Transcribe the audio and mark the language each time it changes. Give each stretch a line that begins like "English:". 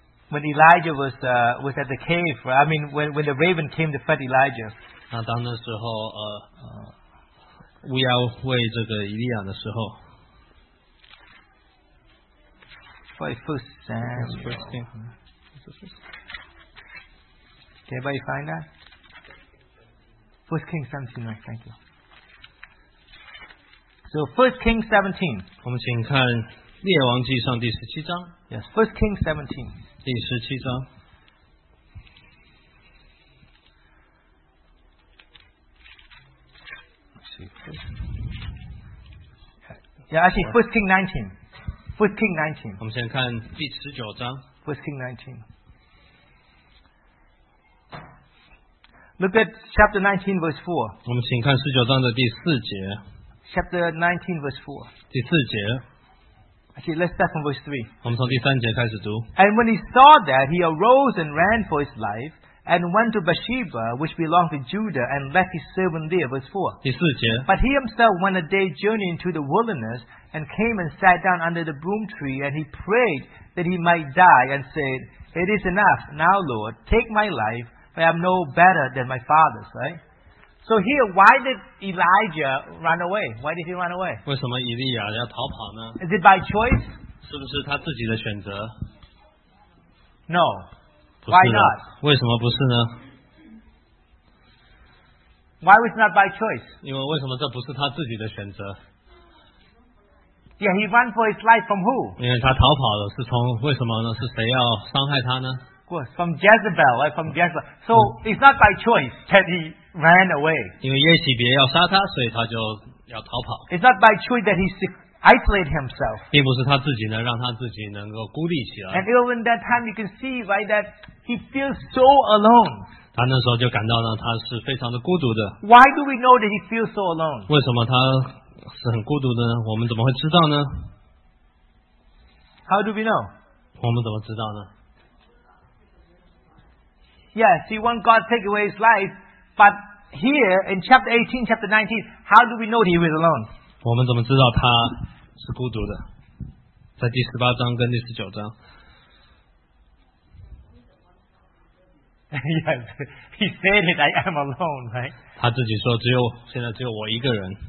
English: When Elijah was at the cave, right? I mean, when the raven came to fight Elijah.
Chinese: 那当那时候，巫妖喂这个以利亚的时候。
English: First Kings. Can anybody find that? First Kings 17, thank you. So 1 Kings 17.
Chinese: 我们请看列王记上第十七章。
English: Yes, 1 Kings 17.
Chinese: 第十七章。
English: Yeah, actually, 1 Kings 19. 1 Kings 19.
Chinese: 我们先看第十九章。
English: 1 Kings 19. Look at chapter 19, verse 4.
Chinese: 我们请看十九章的第四节。
English: Chapter 19, verse 4.
Chinese: 第四节。
English: Actually, let's start from verse 3.
Chinese: 我们从第三节开始读。
English: And when he saw that, he arose and ran for his life, and went to Bathsheba, which belonged to Judah, and left his servant there. Verse 4.
Chinese: 第四节。
English: But he himself went a day's journey into the wilderness, and came and sat down under the broom tree, and he prayed that he might die, and said, It is enough, now, Lord, take my life, for I am no better than my father's, right? So here, why did Elijah run away? Why did he run away?
Chinese: 为什么以利亚要逃跑呢?
English: Is it by choice?
Chinese: 是不是他自己的选择?
English: No. Why not?
Chinese: 为什么不是呢?
English: Why was it not by choice?
Chinese: 因为为什么这不是他自己的选择?
English: Yeah, he ran for his life from who?
Chinese: 因为他逃跑了,是从,为什么呢? 是谁要伤害他呢?
English: Well, from Jezebel, right? From Jezebel. So, it's not by choice that he... Ran away.
Chinese: 因为耶洗别要杀他，所以他就要逃跑。
English: It's not by choice that he isolated himself.
Chinese: 并不是他自己呢，让他自己能够孤立起来。
English: And even that time, you can see right that he feels so alone.
Chinese: 他那时候就感到呢，他是非常的孤独的。
English: Why do we know that he feels so alone?
Chinese: 为什么他是很孤独的呢？我们怎么会知道呢
English: ？How do we know?
Chinese: 我们怎么知道呢
English: ？Yes, he wants God to take away his life. But here in chapter 18, chapter 19, how do we know he was alone?
Chinese: 我们怎么知道他是孤独的？在第十八章跟第十九章。
English: Yes, he said it. I am alone, right?
Chinese: 他自己说，只有现在只有我一个人。